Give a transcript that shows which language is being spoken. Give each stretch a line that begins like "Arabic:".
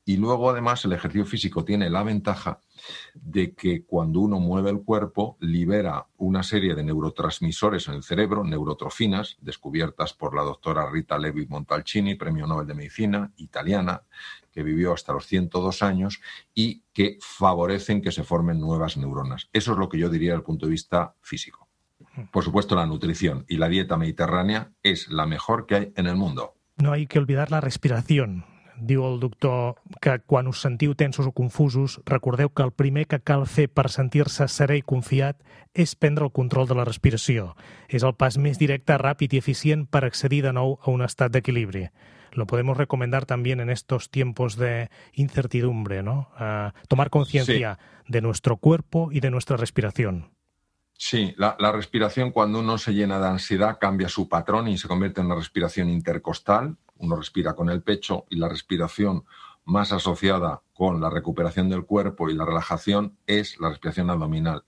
Spanish: Y luego, además, el ejercicio físico tiene la ventaja de que cuando uno mueve el cuerpo, libera una serie de neurotransmisores en el cerebro, neurotrofinas, descubiertas por la doctora Rita Levi Montalcini, premio Nobel de Medicina, italiana, que vivió hasta los 102 años, y que favorecen que se formen nuevas neuronas. Eso es lo que yo diría desde el punto de vista físico. Por supuesto, la nutrición y la dieta mediterránea es la mejor que hay en el mundo. No hay que olvidar la respiración.
Catalan: Diu el doctor que quan us sentiu tensos o confusos, recordeu que el primer que cal fer per sentir-se serè i confiat és prendre el control de la respiració. És el pas més directe, ràpid i eficient per accedir de nou a un estat d'equilibri.
Spanish: Lo podemos recomendar también en estos tiempos de incertidumbre, ¿no? Tomar conciencia de nuestro cuerpo y de nuestra respiración. Sí, la respiración cuando uno se llena de ansiedad cambia su patrón y se convierte en una respiración intercostal, uno respira con el pecho y la respiración más asociada con la recuperación del cuerpo y la relajación es la respiración abdominal.